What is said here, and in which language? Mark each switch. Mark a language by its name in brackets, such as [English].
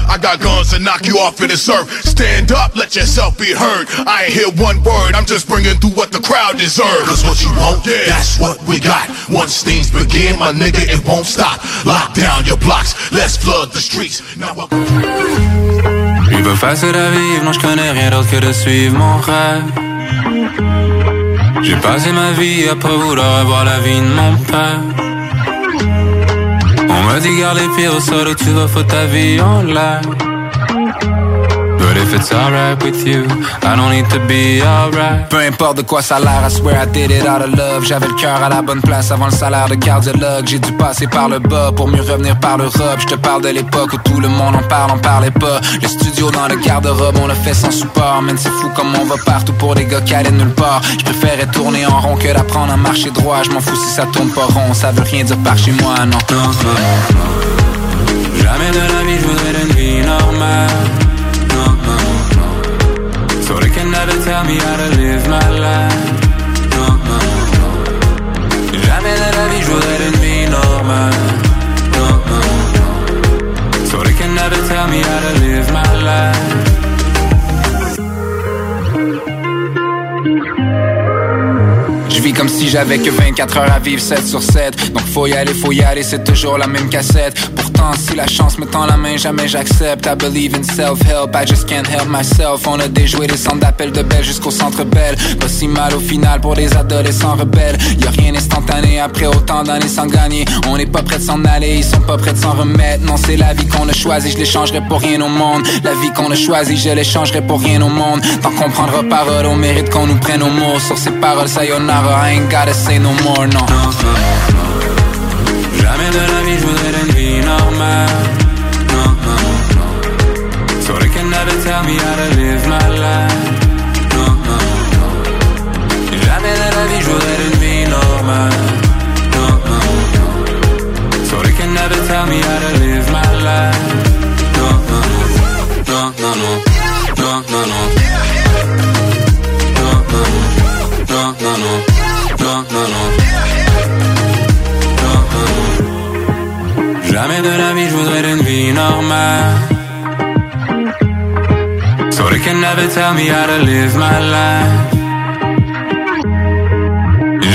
[English] I got guns to knock you off of the surf. Stand up, let yourself be heard. I ain't hear one word, I'm just bringing through what the crowd deserves. Cause what you want, yeah, that's what we got. Once things begin, my nigga, it won't stop. Lock down your blocks, let's flood the streets. Now welcome. [French] Il veut facile à vivre, non, je connais rien d'autre que de suivre mon rêve. J'ai passé ma vie à pas vouloir avoir la vie de mon père. On m'a dit garde les pieds au sol où tu vas foutre ta vie en l'air. [English] But if it's alright with you, I don't need to be alright. [French] Peu importe de quoi ça a l'air, [English] I swear I did it out of love. [French] J'avais le cœur à la bonne place avant le salaire de cardiologue. J'ai dû passer par le bas pour mieux revenir par l'Europe. J'te parle de l'époque où tout le monde en parlait pas. Le studio dans le garde-robe, on l'a fait sans support. Man, c'est fou comme on va partout pour des gars qui allaient nulle part. J'préférais tourner en rond que d'apprendre à marcher droit. J'm'en fous si ça tourne pas rond, ça veut rien dire par chez moi, non. Non, non, non. Jamais de la vie, j'voudrais d'une vie normale. [English] So they can never tell me how to live my life. No, no, no. [French] Jamais de la vie, je voudrais une vie normale. [English] No, no, no. So they can never tell me how to live my life. [French] Je vis comme si j'avais que 24 heures à vivre 7 sur 7. Donc faut y aller, c'est toujours la même cassette. Pourtant, si la chance me tend la main, jamais j'accepte. [English] I believe in self-help, I just can't help myself. [French] On a déjoué les centres d'appel de Belle jusqu'au centre Belle. Pas si mal au final pour des adolescents rebelles. Y'a rien instantané après autant d'années sans gagner. On n'est pas prêts de s'en aller, ils sont pas prêts de s'en remettre. Non, c'est la vie qu'on a choisie, je l'échangerai pour rien au monde. La vie qu'on a choisie, je l'échangerai pour rien au monde. Tant qu'on prendra parole, on mérite qu'on nous prenne au mot. Sur ces paroles, sayonara. [English] I ain't got gotta say no more, no. [French] Non, non, non. Jamais de la vie, je voudrais une vie normale. Non, non, non. [English] So they can never tell me how to live my life. [French] Non, non, non. Jamais de la vie, je voudrais une vie normale. Non, non, non. [English] So they can never tell me how to live my life. [French] Non, non, non. Non, non, non. Non, non, non. Jamais de la vie, je voudrais une vie normale. [English] So they can never tell me how to live my life.